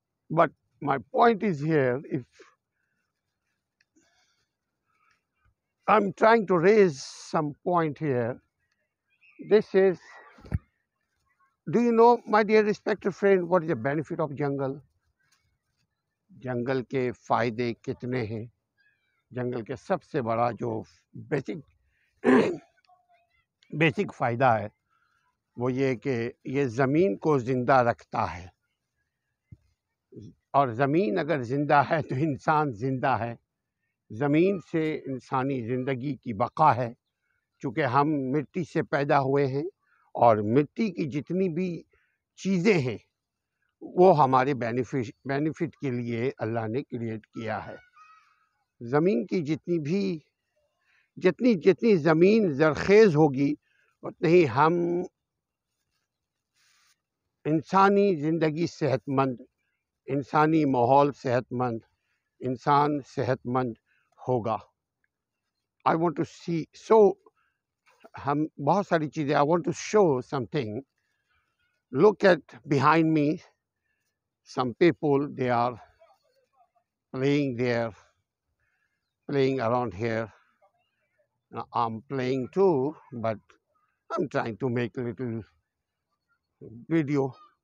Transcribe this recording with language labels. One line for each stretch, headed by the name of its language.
English: But my point is here, if I'm trying to raise some point here, this is, do you know, my dear respected friend, what is the benefit of jungle?
Urdu: جنگل کے فائدے کتنے ہیں؟ جنگل کے سب سے بڑا جو بیسک فائدہ ہے وہ یہ کہ یہ زمین کو زندہ رکھتا ہے, اور زمین اگر زندہ ہے تو انسان زندہ ہے. زمین سے انسانی زندگی کی بقا ہے, چونکہ ہم مٹی سے پیدا ہوئے ہیں اور مٹی کی جتنی بھی چیزیں ہیں وہ ہمارے بینیفٹ کے لیے اللہ نے کریٹ کیا ہے. زمین کی جتنی بھی جتنی زمین زرخیز ہوگی اتنی ہی ہم انسانی زندگی صحت مند, انسانی ماحول صحت مند, انسان صحت مند ہوگا.
English: I want to see, so
Urdu: ہم بہت ساری چیزیں,
English: I want to show something. Look at behind me some people, they are playing there, playing around here. Now, I'm playing too, but I'm trying to make a little video.